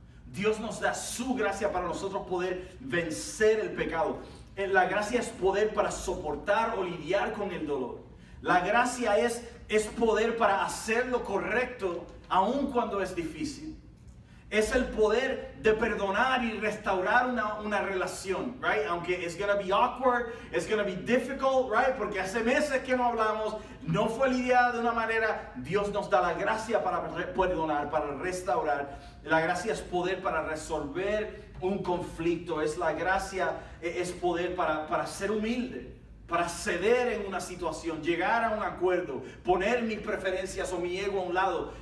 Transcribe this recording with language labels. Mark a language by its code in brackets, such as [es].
[es] Dios nos da su gracia para nosotros poder vencer el pecado. La gracia es poder para soportar o lidiar con el dolor. La gracia es poder para hacer lo correcto, aun cuando es difícil. Es el poder de perdonar y restaurar una relación, [en] right? [es] Aunque [en] it's gonna be awkward, it's gonna be difficult, right? [es] Porque hace meses que no hablamos, no fue lidiada de una manera. Dios nos da la gracia para perdonar, para restaurar. La gracia es poder para resolver un conflicto. Es la gracia, es poder para ser humilde, para ceder en una situación, llegar a un acuerdo, poner mis preferencias o mi ego a un lado.